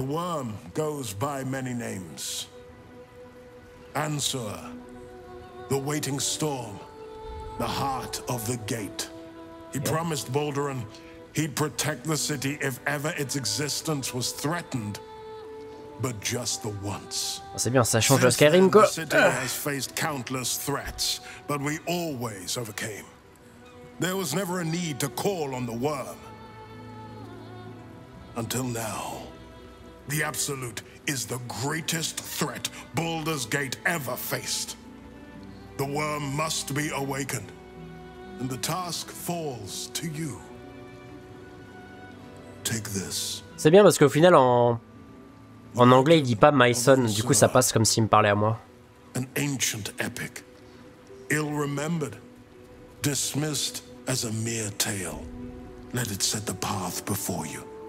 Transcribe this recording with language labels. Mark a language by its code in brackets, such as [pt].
[en] The worm goes by many names. Answer. The waiting storm. The heart of the gate. He promised Balduran he'd protect the city if ever its existence was threatened. But just the once. [fr] Oh, c'est bien, ça change le Skyrim, quoi. [en] The city has faced countless threats, but we always overcame. There was never a need to call on the worm. Until now, the Absolute is the greatest threat Baldur's Gate ever faced. The worm must be awakened, and the task falls to you. Take this. [fr] C'est bien parce qu'au final, en anglais, il dit pas [en] my son. [fr] Du coup, ça passe comme s'il me parlait à moi. [en] An ancient epic, ill remembered, dismissed as a mere tale. Let it set the path before you.